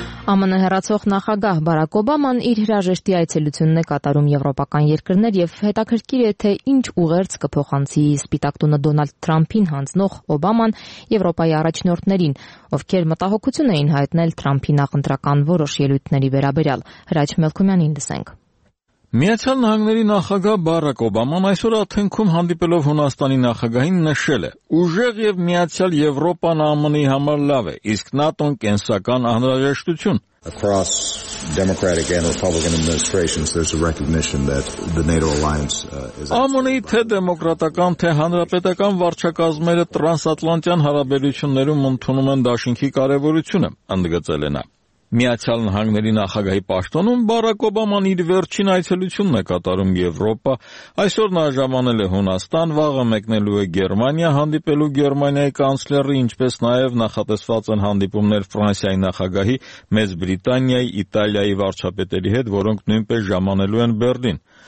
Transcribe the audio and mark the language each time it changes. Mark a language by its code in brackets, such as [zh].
[hy] ԱՄՆ հերացող նախագահ Բարակ Օբաման իր հրաժեշտի այցելությունն է կատարում եվրոպական երկրներ և հետաքրքիր է, թե ինչ ուղերձ կփոխանցի Սպիտակ տունը Դոնալդ Թրամփին հանձնող Օբաման Եվրոպայի առաջնորդներին, ովքեր մտահոգություն էին հայտնել Թրամփի նախընտրական որոշ ելույթների վերաբերյալ։ Հրաչ Մելքումյանին լսենք։ Միացյալ Նահանգների նախագահ Բարակ Օբաման այսօր Աթենքում հանդիպելով Հունաստանի նախագահին նշել է. «Ուժեղ և միացյալ Եվրոպան ԱՄՆ-ի համար լավ է, իսկ ՆԱՏՕ-ն կենսական անհրաժեշտություն»։ [en] Across Democratic and Republican administrations, there's a recognition that the NATO alliance is. [hy] ԱՄՆ-ի թե դեմոկրատական, թե հանրապետական վարչակազմերը տրանսատլանտյան հարաբերություններում ընդունում են դաշինքի կարևորությունը», ընդգծել է նա։ Միացյալ Նահանգների նախագահի պաշտոնում Բարակ Օբաման իր վերջին այցելությունն է կատարում Եվրոպա, այսօր նա ժամանել է Հունաստան, վաղը մեկնելու է Գերմանիա հանդիպելու Գերմանիայի կանցլերը, ինչպես նաև նախատեսված են հանդիպումներ Ֆրանսիայի նախագահի, Մեծ Բրիտանիայի, Իտալիայի վարչապետերի հետ, որոնք նույնպես ժամանելու են Բեռլին։